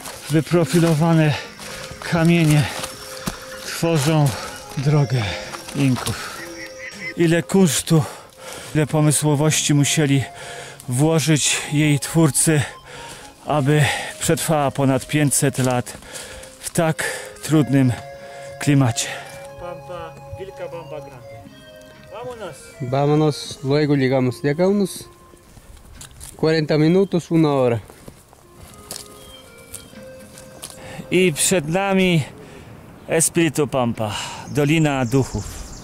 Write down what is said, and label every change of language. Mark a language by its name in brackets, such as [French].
[Polish] Wyprofilowane kamienie tworzą drogę Inków. Ile kunsztu, ile pomysłowości musieli włożyć jej twórcy, aby przetrwała ponad 500 lat w tak trudnym klimacie. [Spanish] Pampa, Wilcabamba Grande. Vámonos. Vámonos, luego llegamos. Llega unos 40 minutos, una hora. [Polish] I przed nami Espiritu Pampa, Dolina Duchów.